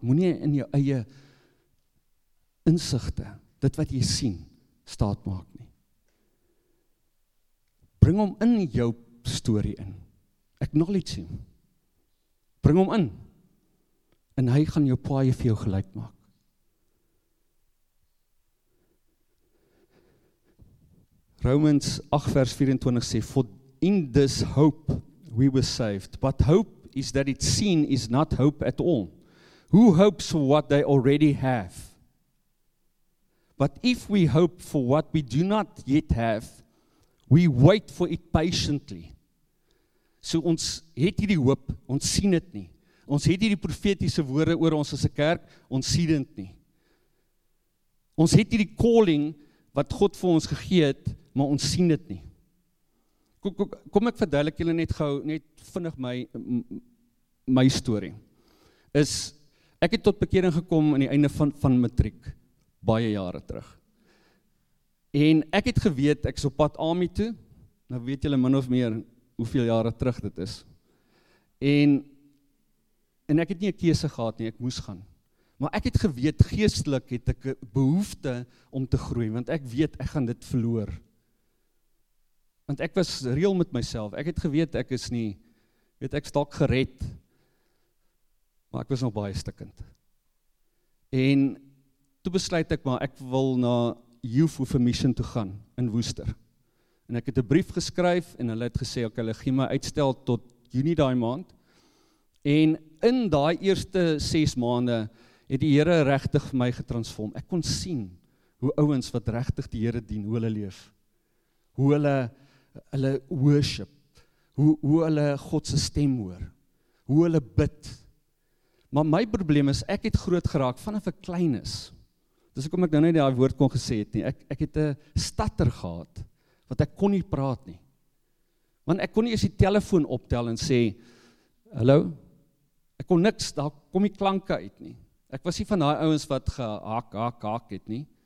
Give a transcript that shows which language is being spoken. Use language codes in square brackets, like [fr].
[af] Moenie in jou eie insigte, dit wat jy sien, staat maak nie. Bring hom in jou story in. Acknowledge hom. Bring hom in. En hy gaan jou paaie vir jou gelyk maak. [en] Romans 8 [af] vers 24 sê, [en] for in this hope we were saved. But hope is that it's seen is not hope at all. Who hopes for what they already have? But if we hope for what we do not yet have, we wait for it patiently. [af] So ons het hierdie hoop, ons sien dit nie. Ons het hierdie profetiese woorde oor ons as 'n kerk, ons sien dit nie. Ons het hierdie calling wat God vir ons gegee het, maar ons sien dit nie. Kom ek verduidelik julle net gou, net vinnig my storie. Is ek het tot bekering gekom aan die einde van matriek. Baie jare terug. En ek het geweet, ek is op pad AMI toe, nou weet julle min of meer hoeveel jare terug dit is. En ek het nie 'n keuse gehad nie, ek moes gaan. Maar ek het geweet, geestelik het ek 'n behoefte om te groei, want ek weet, ek gaan dit verloor. Want ek was reël met myself, ek het geweet, ek is nie, weet ek is dalk gered, maar ek was nog baie stikkend. En toe besluit ek maar, ek wil na Youth with a Mission toe gaan, in Worcester. En ek het 'n brief geskryf, en hulle het gesê, ok, hulle gee my uitstel tot Juni daai maand. En in daai eerste 6 maande, het die Here regtig my getransform. Ek kon sien, hoe ouens wat regtig die Here dien, hoe hulle leef. Hoe hulle worship. Hoe hulle God se stem hoor. Hoe hulle bid. Maar my probleem is, ek het groot geraak vanaf ek klein is. Dis hoekom ek nou net daai woord kon gesê het nie. Ek het 'n stutter gehad, wat ek kon nie praat nie. Want ek kon nie eens die telefoon optel en sê, hallo? Ek kon niks, daar kom die klanke uit nie. Ek was nie van daai ouens wat gehak, hak, hak het nie.